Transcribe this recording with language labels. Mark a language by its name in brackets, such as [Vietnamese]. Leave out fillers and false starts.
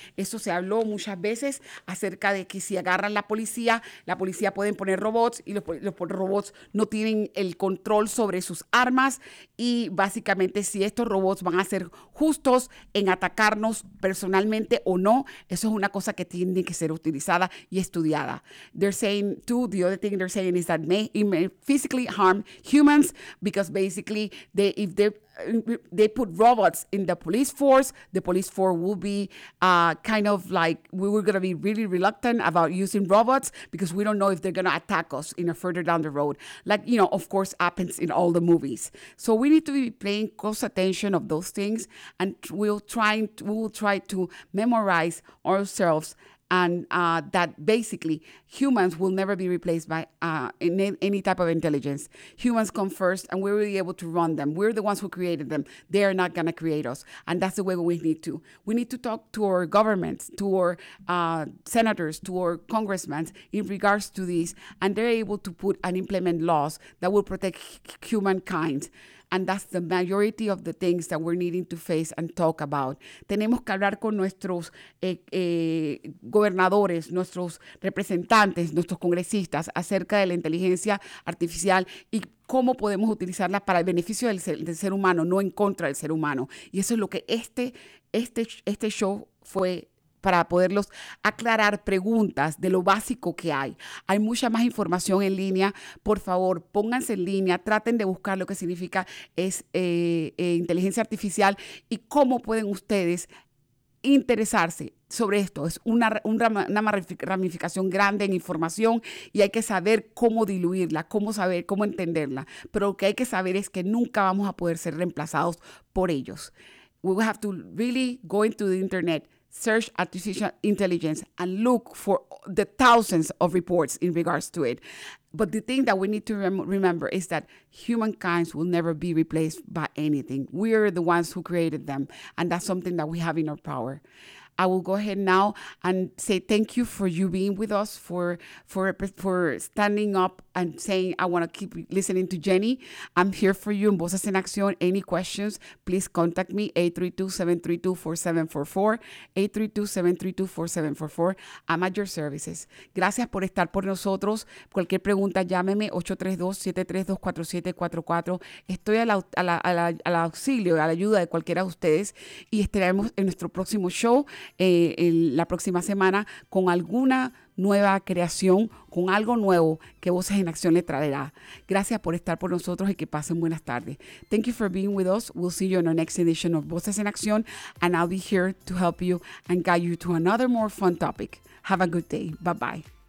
[Spanish] Eso se habló muchas veces acerca de que si agarran la policía pueden poner robots y los robots no tienen el control sobre sus armas, y básicamente si estos robots van a ser justos en atacarnos personalmente o no, eso es una cosa que tiene que ser utilizada y estudiada. [English] They're saying too, the other thing they're saying is that it may physically harm humans because basically, if they put robots in the police force will be kind of like, we were going to be really reluctant about using robots because we don't know if they're going to attack us in a further down the road. Like, you know, of course, happens in all the movies. So we need to be paying close attention of those things, and we will try to memorize ourselves. And that basically humans will never be replaced by any type of intelligence. Humans come first, and we're really able to run them. We're the ones who created them. They are not going to create us. And that's the way we need to. We need to talk to our governments, to our senators, to our congressmen in regards to this. And they're able to put and implement laws that will protect humankind. And that's the majority of the things that we're needing to face and talk about. [Spanish] Tenemos que hablar con nuestros gobernadores, nuestros representantes, nuestros congresistas acerca de la inteligencia artificial y cómo podemos utilizarla para el beneficio del ser humano, no en contra del ser humano. Y eso es lo que este show fue para poderlos aclarar preguntas de lo básico que hay. Hay mucha más información en línea. Por favor, pónganse en línea, traten de buscar lo que significa inteligencia artificial y cómo pueden ustedes interesarse sobre esto. Es una ramificación grande en información y hay que saber cómo diluirla, cómo entenderla. Pero lo que hay que saber es que nunca vamos a poder ser reemplazados por ellos. [English] We will have to really go into the internet, search artificial intelligence, and look for the thousands of reports in regards to it. But the thing that we need to remember is that humankind will never be replaced by anything. We are the ones who created them, and that's something that we have in our power. I will go ahead now and say thank you for you being with us, for standing up and saying, I want to keep listening to Jenny. I'm here for you in Voces en Acción. Any questions, please contact me, 832-732-4744, 832-732-4744. I'm at your services. [Spanish] Gracias por estar por nosotros. Cualquier pregunta, llámeme, 832-732-4744. Estoy a la auxilio, a la ayuda de cualquiera de ustedes y estaremos en nuestro próximo show en la próxima semana con alguna nueva creación, con algo nuevo que Voces en Acción le traerá. Gracias por estar por nosotros y que pasen buenas tardes. [English] Thank you for being with us. We'll see you in our next edition of Voces en Acción, and I'll be here to help you and guide you to another more fun topic. Have a good day. Bye bye.